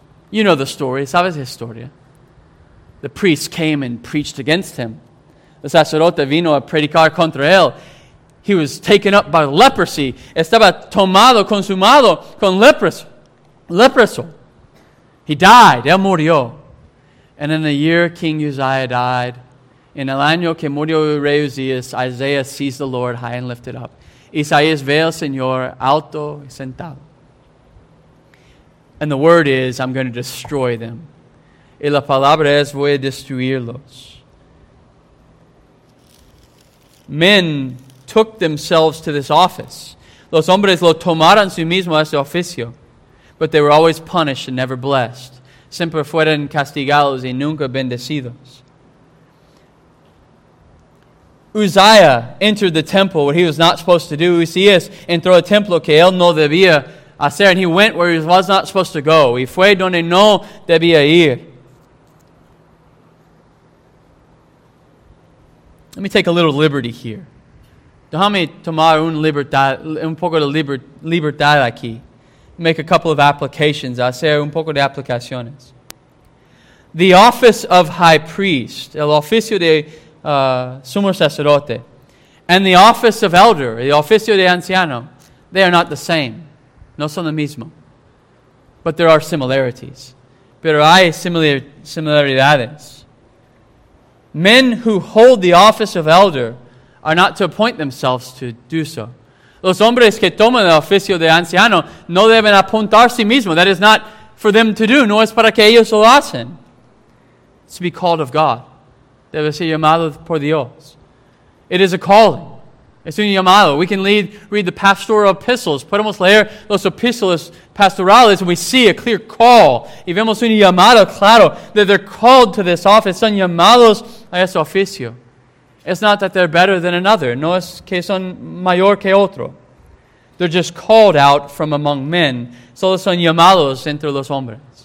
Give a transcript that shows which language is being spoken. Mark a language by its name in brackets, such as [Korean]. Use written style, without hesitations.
[English] You know the story. [Spanish] Sabes la historia. [English] The priest came and preached against him. [Spanish] El sacerdote vino a predicar contra él. [English] He was taken up by leprosy. [Spanish] Estaba tomado, consumado con leproso. [English] He died. [Spanish] Él murió. [English] And in the year King Uzziah died, [Spanish] en el año que murió el rey Uzzias, [English] Isaiah sees the Lord high and lifted up. [Spanish] Isaías ve al Señor alto y sentado. [English] And the word is, I'm going to destroy them. [Spanish] Y la palabra es, voy a destruirlos. [English] Men took themselves to this office. [Spanish] Los hombres lo tomaron sí mismo a ese oficio. [English] But they were always punished and never blessed. [Spanish] Siempre fueron castigados y nunca bendecidos. [English] Uzziah entered the temple where he was not supposed to do. [Spanish] Uzzias entró al templo que él no debía hacer. [English] And he went where he was not supposed to go. [Spanish] Y fue donde no debía ir. [English] Let me take a little liberty here. [Spanish] Déjame tomar un poco de libertad aquí. [English] Make a couple of applications. [Spanish] Hacer un poco de aplicaciones. [English] The office of high priest, [Spanish] el oficio de sumo sacerdote, [English] and the office of elder, [Spanish] el oficio de anciano, [English] they are not the same. [Spanish] No son lo mismo. [English] But there are similarities. [Spanish] Pero hay similaridades. [English] Men who hold the office of elder are not to appoint themselves to do so. [Spanish] Los hombres que toman el oficio de anciano no deben apuntar sí mismo. [English] That is not for them to do, [Spanish] no es para que ellos lo hacen. [English] It's to be called of God. [Spanish] Debe ser llamado por Dios. [English] It is a calling. Es un llamado. We can read the pastoral epistles. [Spanish] Podemos leer los epístolas pastorales [English] and we see a clear call. [Spanish] Y vemos un llamado claro [English] that they're called to this office. [Spanish] Son llamados a ese oficio. [English] It's not that they're better than another. [Spanish] No es que son mayor que otro. [English] They're just called out from among men. [Spanish] Solo son llamados entre los hombres.